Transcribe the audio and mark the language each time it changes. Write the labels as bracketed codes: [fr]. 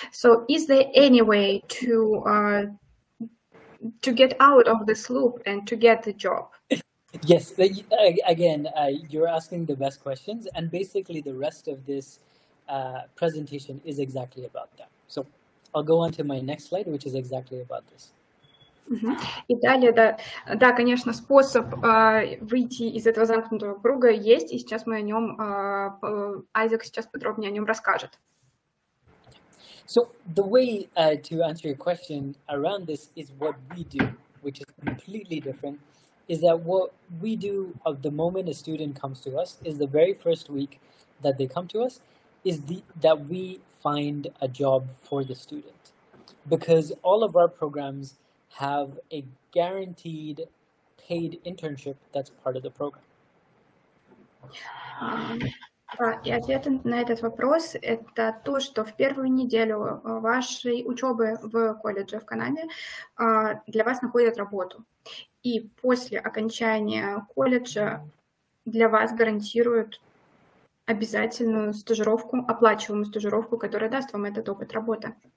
[en] So is there any way to get out of this loop and to get the job? Yes. Again, you're asking the best questions, and basically the rest of this presentation is exactly about that. So I'll go on to my next slide, which is exactly about this. [ru] И далее, да, конечно, способ выйти из этого замкнутого круга есть, и сейчас мы о нем, Айзек сейчас подробнее о нем расскажет. [en] So the way to answer your question around this is what we do, which is completely different, is that what we do of the moment a student comes to us is the very first week that they come to us is that we find a job for the student. Because all of our programs have a guaranteed paid internship that's part of the program. [ru] И ответ на этот вопрос — это то, что в первую неделю вашей учебы в колледже в Канаде для вас находят работу. И после окончания колледжа для вас гарантируют обязательную стажировку, оплачиваемую стажировку, которая даст вам этот опыт работы.